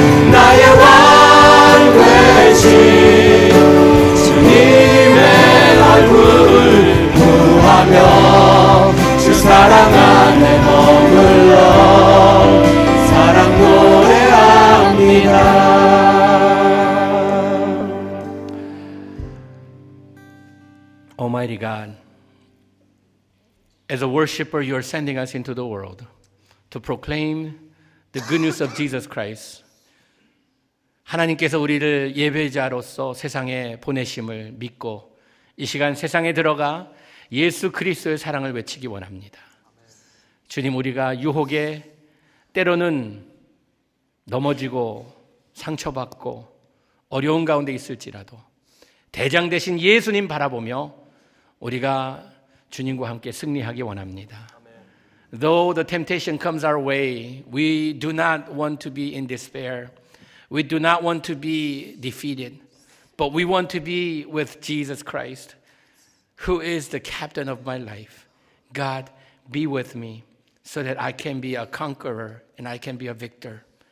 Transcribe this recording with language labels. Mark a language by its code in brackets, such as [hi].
[ko] 나의 왕 되신 주님의 얼굴 구하며 주 사랑 안에 머물러 사랑 노래합니다 [en] Almighty God, as a worshiper, you are sending us into the world to proclaim the good news of Jesus Christ. [ko] 하나님께서 우리를 예배자로서 세상에 보내심을 믿고 이 시간 세상에 들어가 예수 그리스도의 사랑을 외치기 원합니다. 주님, 우리가 유혹에 때로는 넘어지고 상처받고 어려운 가운데 있을지라도 대장 대신 예수님 바라보며 우리가 주님과 함께 승리하기 원합니다. [en] Amen. Though the temptation comes our way, we do not want to be in despair. We do not want to be defeated. But we want to be with Jesus Christ, who is the captain of my life. God, be with me so that I can be a conqueror and I can be a victor.